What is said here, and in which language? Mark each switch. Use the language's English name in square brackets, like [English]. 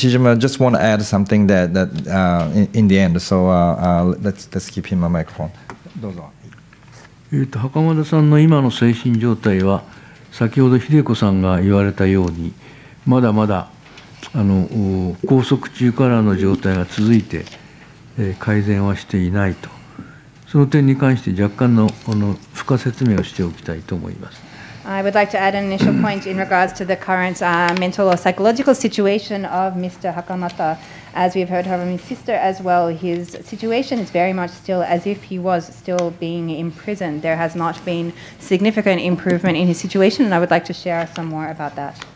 [English] Nishijima, just want to add something that in the end. So let's keep him a microphone. [Japanese] どうぞ。袴田さんの今の精神状態は、先ほど秀子さんが言われたようにまだまだ拘束中からの状態が続いて、改善はしていないと。その点に関して若干の付加説明をしておきたいと思います。 [English] I would like to add an initial point in regards to the current mental or psychological situation of Mr. Hakamata. As we've heard from his sister as well, his situation is very much still as if he was still being imprisoned. There has not been significant improvement in his situation, and I would like to share some more about that.